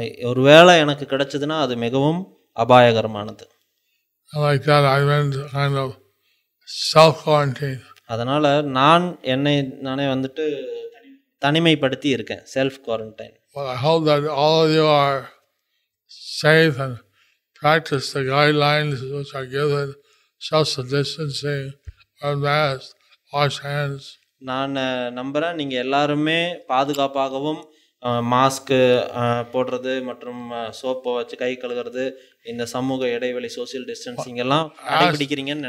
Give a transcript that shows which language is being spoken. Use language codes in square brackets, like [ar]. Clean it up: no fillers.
[ta] ஒருவேளை எனக்கு கிடைச்சதுன்னா அது மிகவும் அபாயகரமானது. [en] Like that, I went kind of self-quarantine. [ta] அதனால நான் என்னை நானே வந்துட்டு தனிமைப்படுத்தி இருக்கேன், self-quarantine. [en] Well, I hope that all of you are safe and practice the guidelines which are given, social distancing, wear masks, wash hands. [ta] நான் நம்புறேன் நீங்க எல்லாருமே பாதுகாப்பாகவும் மாஸ்க் போடுறது மற்றும் சோப்பை வச்சு கை கழுகிறது, இந்த சமூக இடைவெளி, சோசியல் டிஸ்டன்சிங் எல்லாம் கடைபிடிக்கிறீங்கன்னு